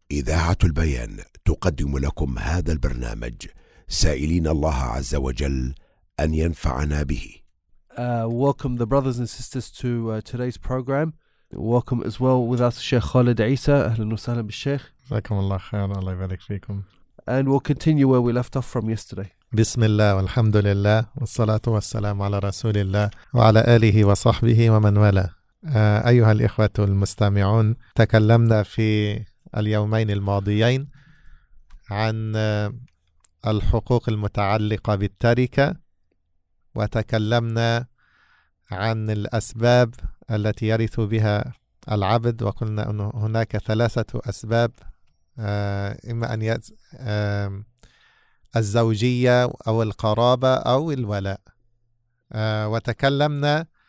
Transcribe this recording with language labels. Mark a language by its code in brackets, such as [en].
[ar] إذاعة البيان تقدم لكم هذا البرنامج، سائلين الله عز وجل أن ينفعنا به. [en] Welcome the brothers and sisters to today's program. Welcome as well with us Sheikh Khalid Isa. [ar] أهلا وسهلا بالشيخ. جزاكم الله خيرا. الله يبارك فيكم. [en] And we'll continue where we left off from yesterday. [ar] بسم الله والحمد لله والصلاة والسلام على رسول الله وعلى آله وصحبه ومن والاه. أيها الإخوة المستمعون، تكلمنا في اليومين الماضيين عن الحقوق المتعلقة بالتركة، وتكلمنا عن الأسباب التي يرث بها العبد، وقلنا أن هناك ثلاثة أسباب، إما أن الزوجية أو القرابة أو الولاء، وتكلمنا